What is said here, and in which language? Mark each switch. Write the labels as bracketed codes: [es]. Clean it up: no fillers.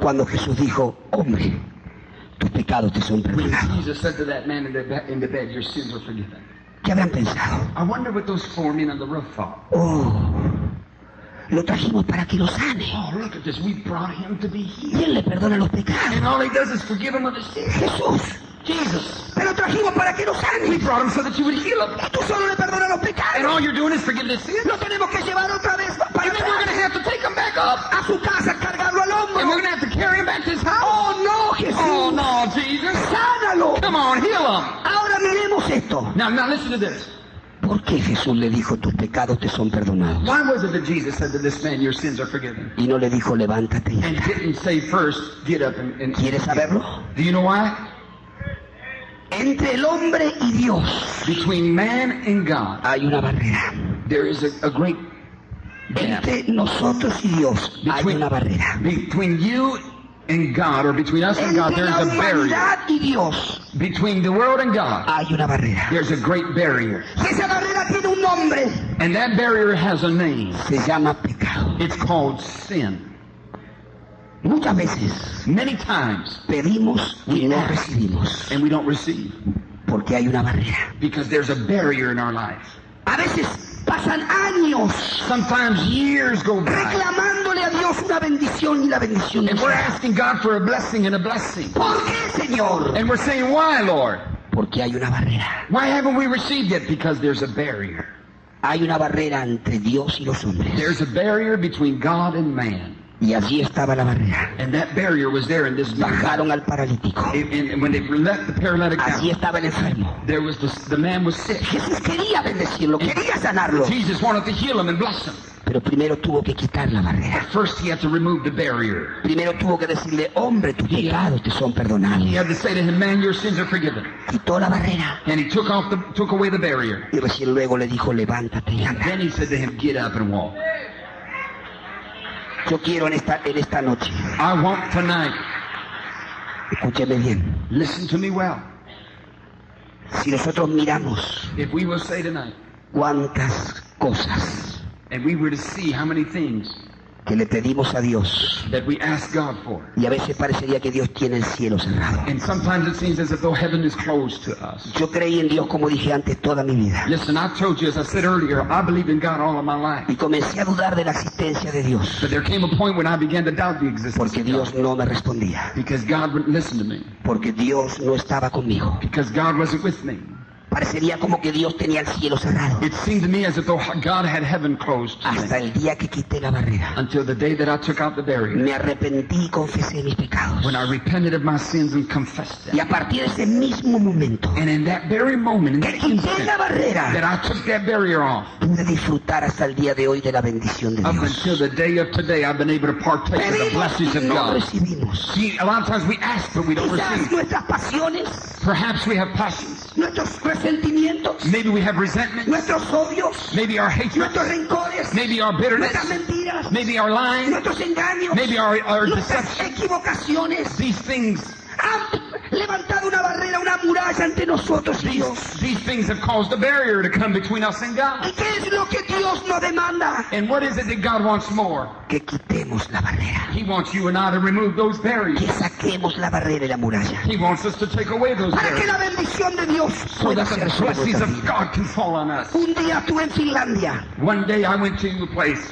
[es] Cuando Jesús dijo, hombre, tus pecados te son perdonados. [en] When Jesus said to that man in the bed, your sins are forgiven. [es] ¿Qué habrán pensado? [en] I wonder what those four men on the roof thought. [es] Oh, lo trajimos para que lo sane. [en] Oh, look at this. We brought him to be healed. [es] Y él le perdona los pecados. [en] And all he does is forgive him of his sins. [es] Jesús. [en] Jesus. [es] Pero trajimos para que lo sane. [en] We brought him so that you would heal him. [es] Y tú solo le perdonas los pecados. [en] And all you're doing is forgive his sins. [es] Lo tenemos que llevar otra vez para [en] And then we're going to have to take him back up. [es] A su casa, cargarlo al hombro. [en] And we're going to have to carry him back to his house. [es] Oh, no, Jesús. [en] Oh, no, Jesus. [es] Sánalo. [en] Come on, heal him. [es] Ahora miremos esto. [en] Now listen to this. [es] ¿Por qué Jesús le dijo, tus pecados te son perdonados? [en] Why was it that Jesus said to this man, your sins are forgiven? [es] Y no le dijo, levántate y anda. [en] And didn't say first, get up and [es] ¿quieres saberlo? [en] Do you know why? [es] Entre el hombre y Dios, [en] between man and God, [es] hay una barrera. [en] There is a great gap. [es] Entre nosotros y Dios, hay una barrera. [en] Between you and God, or between us and God, there is a barrier. [es] Y Dios, [en] between the world and God, [es] hay una barrera. [en] There's a great barrier. [es] Y esa barrera tiene un nombre. [en] And that barrier has a name. [es] Se llama pecado. [en] It's called sin. [es] Muchas veces, [en] many times, [es] pedimos y no recibimos. [en] And we don't receive. [es] Porque hay una barrera. [en] Because there's a barrier in our lives. [es] A veces pasan años. [en] Sometimes years go by. [es] Reclamándole a Dios una bendición y la bendición. [en] And we're asking God for a blessing and a blessing. [es] ¿Por qué, Señor? [en] And we're saying, why, Lord? [es] Porque hay una barrera. [en] Why haven't we received it? Because there's a barrier. [es] Hay una barrera entre Dios y los hombres. [en] There's a barrier between God and man. [es] Y allí estaba la barrera. [en] And that barrier was there in this man. [es] Bajaron al paralítico. [en] And when they left the paralytic down, [es] allí estaba el enfermo. [en] There was the man was sick. [es] Jesús quería bendecirlo, quería sanarlo. [en] Jesus wanted to heal him and bless him. [es] Pero primero tuvo que quitar la barrera. [en] But first he had to remove the barrier. [es] Primero tuvo que decirle, hombre, tus pecados te son perdonados. [en] He had to say to him, man, your sins are forgiven. [es] Quitó la barrera. [en] And he took away the barrier. [es] Y recién luego le dijo, levántate y anda. [en] Then he said to him, get up and walk. [es] Yo quiero en esta noche. [en] I want tonight. [es] Escúcheme bien. [en] Listen to me well. [es] Si nosotros miramos, [en] if we will say tonight, [es] cuántas cosas, [en] and we were to see how many things [es] que le pedimos a Dios, [en] that we ask God for, [es] y a veces parecería que Dios tiene el cielo cerrado. [en] And sometimes it seems as if though heaven is closed to us. [es] Yo creí en Dios como dije antes toda mi vida. [en] Listen, I told you as I said earlier, I believed in God all of my life. [es] Y comencé a dudar de la existencia de Dios. [en] But there came a point when I began to doubt the existence of God. [es] Porque Dios no me respondía. [en] Because God wouldn't listen to me. [es] Porque Dios no estaba conmigo. [en] Because God wasn't with me. [es] Parecería como que Dios tenía el cielo cerrado. [en] It seemed to me as if God had heaven closed. [es] Hasta el día que quité la barrera. [en] Until the day that I took out the barrier. [es] Me arrepentí y confesé mis pecados. [en] When I repented of my sins and confessed them. [es] Y a partir de ese mismo momento. [en] And in that very moment, in [es] que quité [en] instant, [es] la barrera. [en] That I took that barrier off. [es] Pude disfrutar hasta el día de hoy de la bendición de Dios. [en] Up until the day of today, I've been able to partake [es] pedimos [en] of the blessings [es] no [en] of God. [es] Recibimos. [en] See, a lot of times we ask, but we don't [es] quizás [en] receive. [es] Nuestras pasiones. [en] Perhaps we have passions. [es] Nuestros resentimientos. [en] Maybe we have resentments. [es] Nuestros odios. [en] Maybe our hatred. [es] Nuestros rencores. [en] Maybe our bitterness. [es] Nuestras mentiras. [en] Maybe our lying. [es] Nuestros engaños. [en] Maybe our deception. [es] Nuestras equivocaciones. [en] These things [es] han levantado una barrera, una muralla entre nosotros y Dios. [en] These things have caused a barrier to come between us and God. [es] ¿Y qué es lo que Dios nos demanda? [en] And what is it that God wants more? [es] Que quitemos la barrera. [en] He wants you and I to remove those barriers. [es] Que saquemos la barrera y la muralla. [en] He wants us to take away those [es] para [en] barriers. [es] Para que la bendición de Dios [en] so that the blessings of God can fall on us. [es] Un día estuve en Finlandia. [en] One day I went to a place.